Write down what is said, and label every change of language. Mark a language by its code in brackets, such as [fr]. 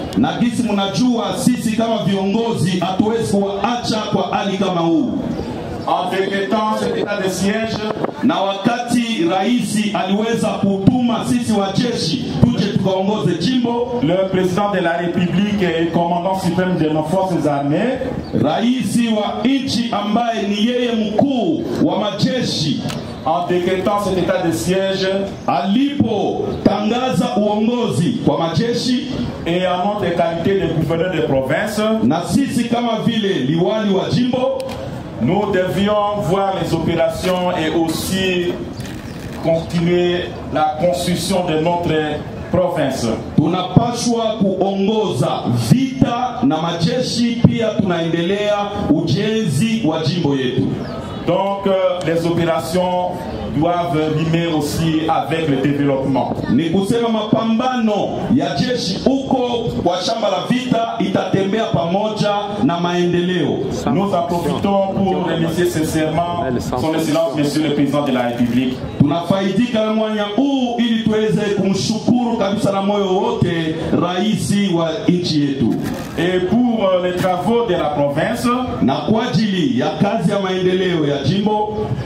[sw] Na gisi munajua sisi kama viongozi hatuwezi kuacha kwa hali kama huu. [fr] En décrétant cet état de siège, [sw] na wakati raisi aliweza kutuma sisi wajeshi tuje tukaongoze jimbo, [fr] le président de la République et commandant suprême de nos forces armées, [sw] raisi wa nchi ambaye ni yeye mkuu wa majeshi, [fr] en décrétant cet état de siège, [sw] alipo tangaza uongozi kwa majeshi, [fr] et en notre qualité de gouverneur de province, [sw] na sisi kama vile liwali wa jimbo, [fr] nous devions voir les opérations et aussi continuer la construction de notre province. [sw] Tunapaswa kuongoza vita na majeshi pia tunaendelea ujenzi wa jimbo yetu. [fr] Donc les opérations doivent rimer aussi avec le développement. [sw] Ni kusema mapambano ya jeshi huko kwa shamba la vita itatembea pamoja na maendeleo. [fr] Nous en profitons pour remercier sincèrement son excellence monsieur le président de la République. [sw] Tunafaidika na mwanya huu ili tuweze kumshukuru kabisa na moyo wote rais wa nchi yetu. [fr] Et pour les travaux de la province, [sw] na kwa ajili ya kazi ya maendeleo ya jimbo,